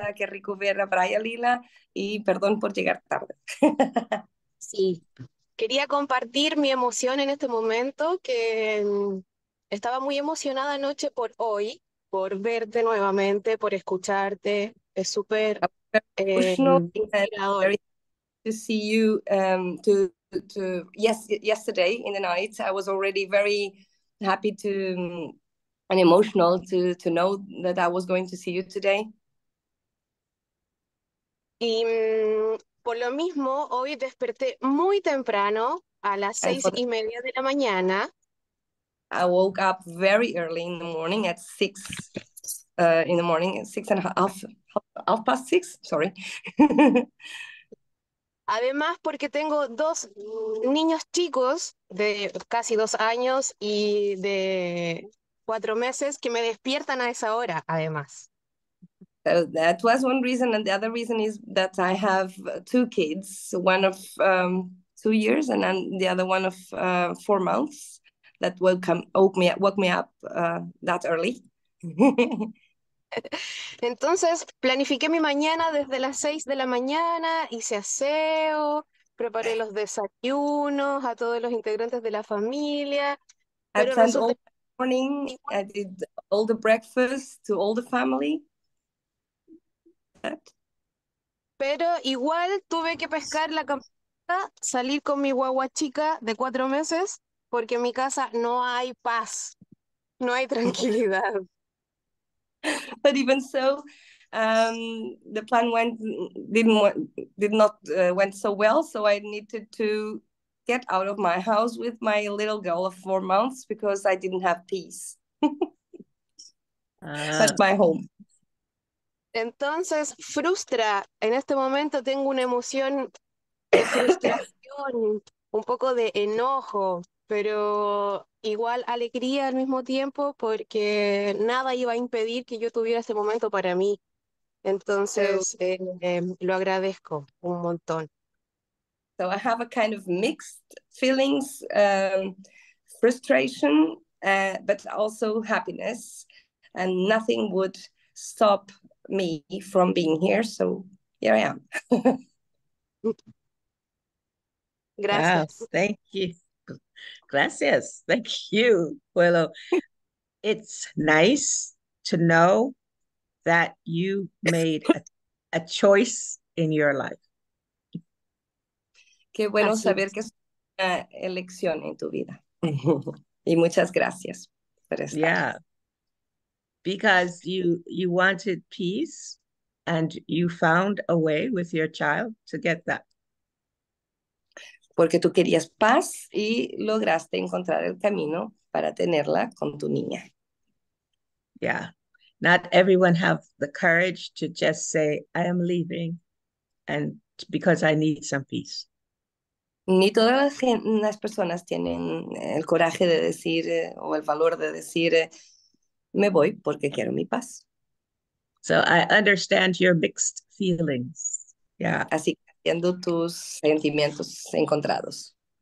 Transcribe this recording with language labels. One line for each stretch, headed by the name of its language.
Spanish: Qué rico ver a Vrajalila. Y perdón por llegar tarde. Sí. Quería compartir mi emoción en este momento, que estaba muy emocionada anoche por hoy, por verte nuevamente, por escucharte. Es súper inspirador.
English: To see you to yesterday in the night, I was already very happy to and emotional to know that I was going to see you today.
Spanish: Y por lo mismo, hoy desperté muy temprano a las 6:30 de la mañana.
English: I woke up very early in the morning at six in the morning, six and a half, half past six, sorry.
Spanish: Además, porque tengo dos niños chicos de casi 2 años y de 4 meses que me despiertan a esa hora, además.
English: So that was one reason, and the other reason is that I have two kids, one of 2 years and then the other one of 4 months, that woke me up that early.
Spanish: Entonces, planifiqué mi mañana desde las 6 de la mañana, hice aseo, preparé los desayunos a todos los integrantes de la familia.
English: Pero I planned all the morning, I did all the breakfast to all the family.
Spanish: Pero igual tuve que pescar la campana, salir con mi guagua chica de 4 meses, porque en mi casa no hay paz, no hay tranquilidad.
English: But even so, the plan went so well. So I needed to get out of my house with my little girl of 4 months because I didn't have peace. That's my home.
Spanish: Entonces, frustra. En este momento tengo una emoción de frustración, un poco de enojo, pero igual alegría al mismo tiempo, porque nada iba a impedir que yo tuviera ese momento para mí. Entonces, lo agradezco un montón.
English: So I have a kind of mixed feelings, frustration, but also happiness, and nothing would stop me from being here, so here I am.
Spanish: Gracias.
English: Wow, thank you.
Spanish: Gracias.
English: Thank you. Well, it's nice to know that you made a choice in your life.
Spanish: Qué bueno Así. Saber que es una elección en tu vida. Y muchas gracias por estar.
English: Yeah. Because you wanted peace and you found a way with your child to get that.
Spanish: Porque tú querías paz y lograste encontrar el camino para tenerla con tu niña.
English: Yeah. Not everyone have the courage to just say, I am leaving and because I need some peace.
Spanish: Ni todas las personas tienen el coraje de decir o el valor de decir, me voy porque quiero mi paz.
English: So I understand your mixed feelings. Yeah.
Spanish: Así que. Tus sentimientos encontrados.